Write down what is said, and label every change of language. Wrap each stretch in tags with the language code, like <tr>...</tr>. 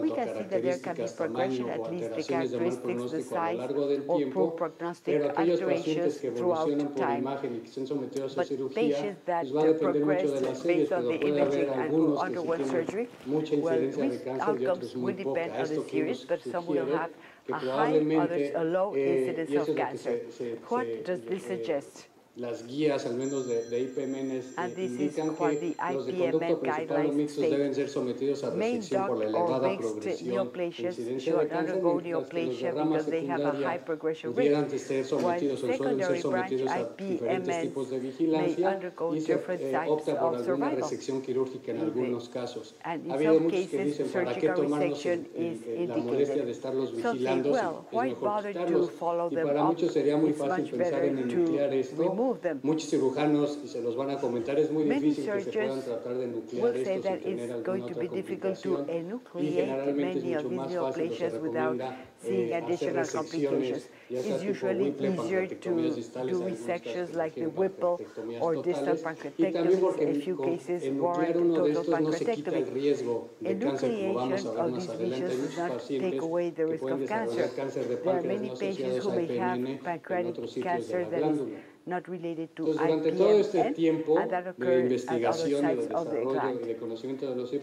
<en>We can see that there can be progression, at least the characteristics, the size, or poor prognostic alterations throughout time. But patients that progress based on the imaging and who underwent surgery, well, these outcomes will depend on the series, but some will have a high, others a low incidence of cancer. What does this suggest?</en> <es>Las guías, al menos de IPMNs, indican que los de conducto principal o mixtos deben ser sometidos a resección por la elevada progresión de incidencia de cáncer, mientras que los derramas secundarios pudieran ser sometidos o suelen ser sometidos a diferentes tipos de vigilancia y se opta por alguna resección quirúrgica en algunos casos. Ha habido muchos que dicen, ¿para qué tomarnos la molestia de estarlos vigilando? Es mejor quitarlos. Y para muchos sería muy fácil pensar en nuclear esto. Muchos cirujanos, y se los van a comentar, es muy difícil que se puedan tratar de nuclear esto sin tener alguna otra complicación. Y generalmente es mucho más fácil, o se recomienda</es> <en>seeing additional complications. It's usually easier to do resections like the Whipple or distal pancreatectomies. A few cases warrant total pancreatectomy. Enucleation of these lesions does not take away the risk of cancer. There are many patients who may have pancreatic cancer that is not related to IPMN, and that occurs at other sites of the gland.</en>